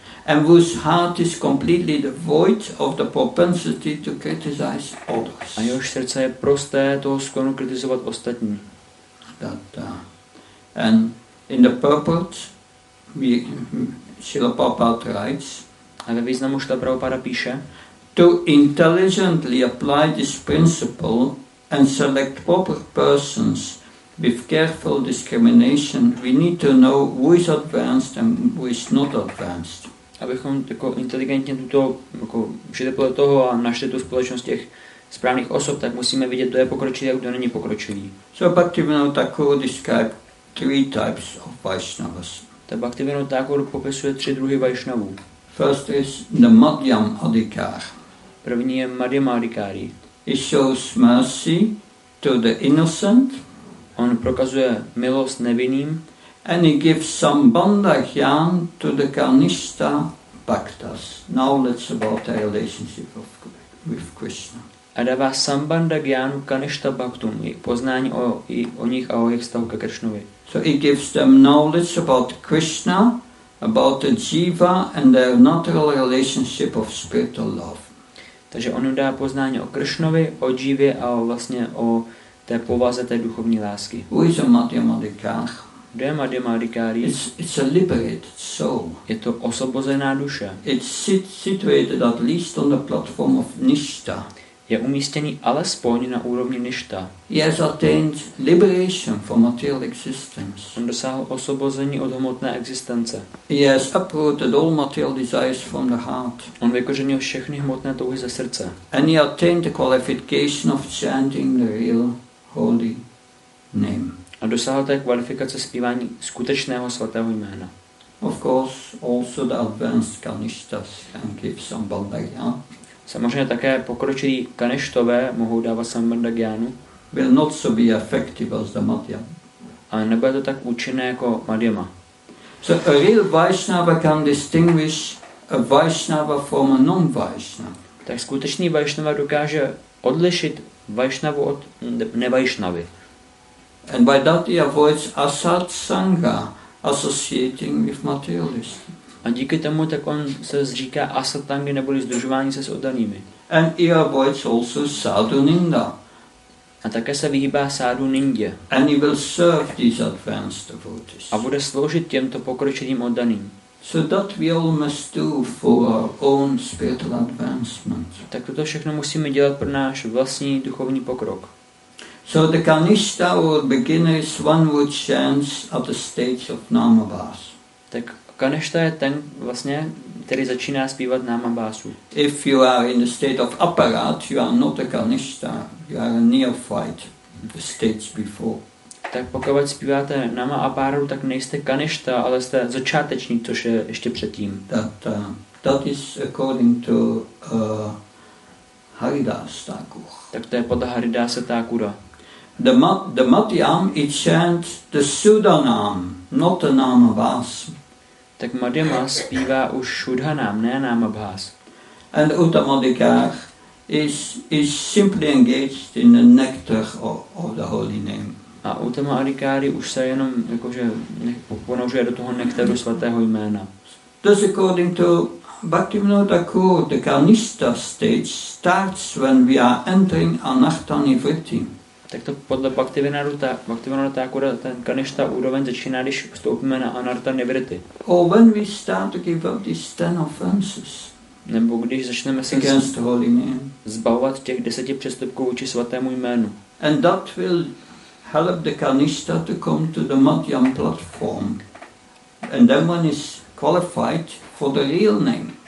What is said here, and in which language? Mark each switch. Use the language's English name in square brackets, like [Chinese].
[English] And whose heart is completely devoid of the propensity to criticize others. [Czech] A jehož srdce je prosté toho sklonu kritizovat ostatní. [English] And in the purport, Srila Prabhupada writes, [Czech] a ve významu Srila Prabhupada píše, [English] to intelligently apply this principle and select proper persons with careful discrimination, we need to know who is advanced and who is not advanced. [Czech] Abychom jako inteligentně tuto, jako žili podle toho a našli tu společnost těch správných osob, tak musíme vidět, kdo je pokročilý a kdo není pokročilý. [English] So Bhaktivinoda Thakur describes three types of Vaishnavas. [Czech] Tak Bhaktivinoda Thakur popisuje tři druhy Vaishnavů. [English] First is the Madhyam Adhikar. [Czech] První je Madhyam Adhikari. [English] He shows mercy to the innocent. [Czech] On prokazuje milost nevinným. [English] And he gives some bandha jnán to the karnista bhaktas. Now let's about the relationship with Krishna. [Czech] A dává sambandha jnánu karnista bhaktum, poznání o nich a o jejich vztahu ke Krišnovi. [English] So he gives them knowledge about Krishna, about the jiva and their natural relationship of spiritual love. [Czech] Takže on jim dá poznání o Krišnovi, o jivě a vlastně o té povaze té duchovní lásky. [English] Who is a Madhyam Adhikar? [Czech] Kdo je Madhyam Adhikari? [English] It's a liberated soul. [Czech] Je to osvobozená duše. [English] It's situated at least on the platform of Nishta. [Czech] Je umístěný alespoň na úrovni Nishta. [English] He has attained liberation from material existence. [Czech] On dosáhl osvobození od hmotné existence. [English] He has uprooted all material desires from the heart. [Czech] On vykořenil všechny hmotné touhy ze srdce. [English] And he attained the qualification of chanting the real holy name. [Czech] A dosáhl té kvalifikace zpívání skutečného svatého jména. [English] Of course, also the advanced kanishtas can give some bandha jnana. [Czech] Samozřejmě také pokročilí kaneštové mohou dávat sambandha jnánu. [English] will not so be effective as the Madhya. [Czech] A nebude to tak účinné jako Madhyama. [English] So a real Vaishnava can distinguish a Vaishnava from a non-Vaishnava. [Czech] Tak skutečný Vaishnava dokáže odlišit Vaishnavu od nevaishnavy. [English] And by that he avoids asat sangha, associating with materialists. [Czech] A díky tomu tak on se zříká asatangy, neboli sdružování se s oddanými. [English] And he avoids also sadhu ninda. [Czech] A také se vyhýbá sadhu nindě. [English] And he will serve these advanced devotees. [Czech] A bude sloužit těmto pokročilým oddaným. [English] So that we all must do for our own spiritual advancement. [Czech] Tak toto všechno musíme dělat pro náš vlastní duchovní pokrok. [English] So the kanishta or beginners one would chant at the stage of namabhas. [Czech] Tak kanishta je ten vlastně, který začíná zpívat namabhasu. [English] If you are in the state of aparat, you are not a kanishta. You are a neophyte. The states before. [Czech] Tak pokud zpíváte nama a páru, tak nejste kanishta, ale jste začátečník, což je ještě předtím. [English] That is according to Haridasa Thakur. [Czech] Tak to je pod Haridasa Thakura. [English] The Madhyam it chants the Sudhanam, not the Namabhas. [Czech] Tak Madhyama zpívá už Sudhanam, ne Namabhas. [English] And Uttamadikar is simply engaged in the nectar of the holy name. [Czech] A Uttama Adhikari už se jenom jakože ponožuje do toho nektaru svatého jména. [English] Thus according to Bhaktivinoda Thakur, the kanista stage starts when we are entering anartani vritti. [Czech] Tak to podle Bhaktivinoda Thakur, ten kanista úroveň začíná, když vstoupíme na anartani vritti. [English] Or when we start to give up these 10 offenses. [Czech] Nebo když začneme se zbavovat těch 10 přestupků vůči svatému jménu. [English] And that will help the kanista to come to the Madhyam platform, and then one is qualified for the real name.